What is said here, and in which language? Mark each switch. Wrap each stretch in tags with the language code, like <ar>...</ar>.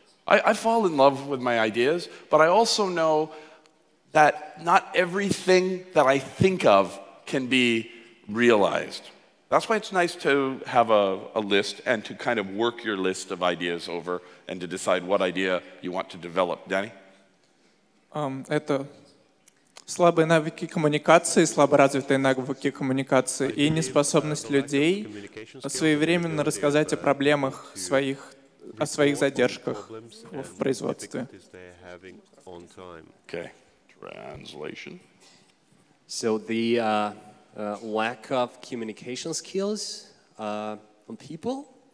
<en>I fall in love with my ideas, but I also know that not everything that I think of can be realized. That's why it's nice to have a list and to kind of work your list of ideas over and to decide what idea you want to develop. Danny?</en> <ru>Это слабые навыки коммуникации, слабо развитые навыки коммуникации и неспособность людей своевременно рассказать о проблемах своих, о своих задержках в производстве.</ru> <en>Okay. Translation. So the lack of communication skills on people,</en>